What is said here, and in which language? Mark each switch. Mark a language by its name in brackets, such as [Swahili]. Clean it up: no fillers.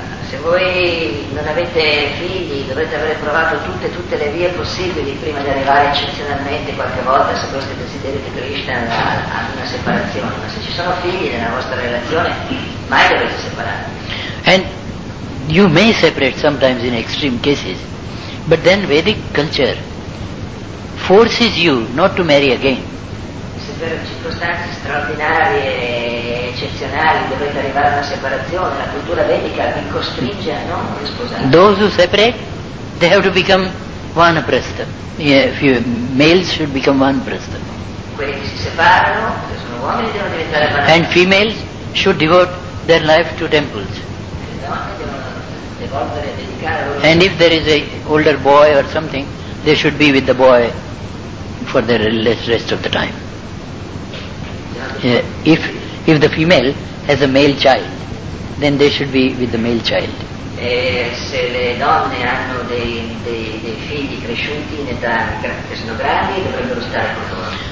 [Italian] Se voi non avete figli, dovete aver provato tutte le vie possibili prima di arrivare eccezionalmente qualche volta, se questo è il desiderio di Krishna, ad una separazione. Ma se ci sono figli nella vostra relazione, mai dovete separare. [English] And you may separate sometimes in extreme cases, but then Vedic culture forces you not to marry again. [Italian] Se per circostanze straordinarie e eccezionali dovete arrivare a una separazione, la cultura vedica vi costringe a non sposare. [English] Those who separate, they have to become vanaprastha. Males should become vanaprastha. [Italian] Quelli che si separano, che sono uomini, devono diventare vanaprastha. [English] And females should devote their life to temples. And if there is a older boy or something, they should be with the boy for the rest of the time. Yeah. If the female has a male child, then they should be with the male child. [Italian] Se le donne hanno dei figli cresciuti in età che sono grandi, dovrebbero stare con loro.